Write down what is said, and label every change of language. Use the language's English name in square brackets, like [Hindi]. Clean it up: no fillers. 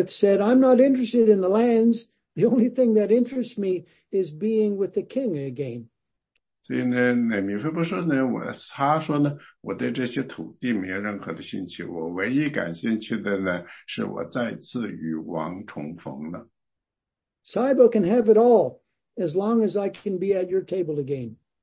[English] Mephibosheth said, "I'm not interested in the lands. The only thing that interests me is being with the king again." [Chinese] 所以呢，米非波设呢，他说呢，我对这些土地没任何的兴趣，我唯一感兴趣的呢，是我再次与王重逢了。 [English] Ziba can have it all as long as I can be at your table again.